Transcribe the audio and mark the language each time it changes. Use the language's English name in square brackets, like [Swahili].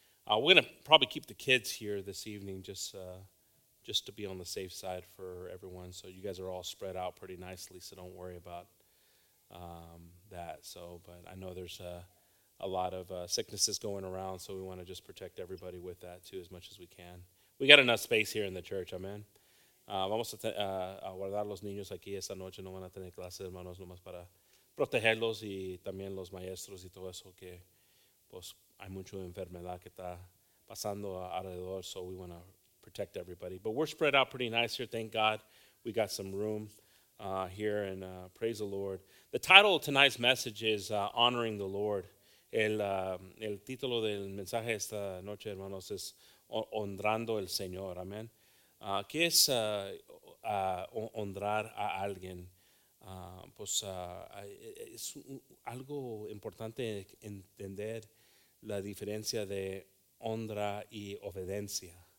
[English] We're going to probably keep the kids here this evening just to be on the safe side for everyone. So you guys are all spread out pretty nicely, so don't worry about that. So, but I know there's a lot of sicknesses going around, so we want to just protect everybody with that too as much as we can. We got enough space here in the church, amen. [Spanish] Vamos a guardar los niños aquí esta noche, no van a tener clases, hermanos, nomás para protegerlos y también los maestros y todo eso que pues hay mucha enfermedad que está pasando alrededor, [English] so we want to protect everybody. But we're spread out pretty nice here, thank God. We got some room here, and praise the Lord. The title of tonight's message is Honoring the Lord. [Spanish] El título del mensaje esta noche, hermanos, es Honrando el Señor, amen. ¿Qué es honrar a alguien? Es algo importante entender la diferencia de honra y obediencia.